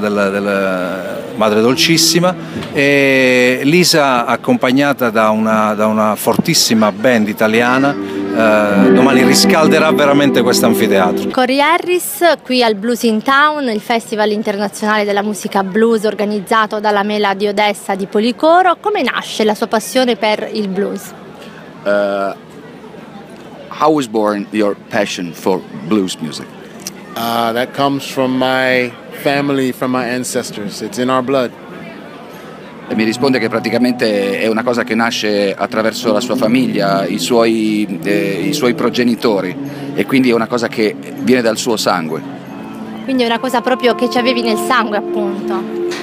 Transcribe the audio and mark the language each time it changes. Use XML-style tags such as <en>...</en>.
<it>della Madre Dolcissima, e Lisa accompagnata da una fortissima band italiana domani riscalderà veramente questo anfiteatro. Corey Harris qui al Blues in Town, il festival internazionale della musica blues organizzato dalla Mela di Odessa di Policoro. Come nasce la sua passione per il blues?</it> <en>How was born your passion for blues music? That comes from my family, from my ancestors. It's in our blood.</en> <it>E mi risponde che praticamente è una cosa che nasce attraverso la sua famiglia, i suoi progenitori, e quindi è una cosa che viene dal suo sangue. Quindi è una cosa proprio che ci avevi nel sangue, appunto.</it>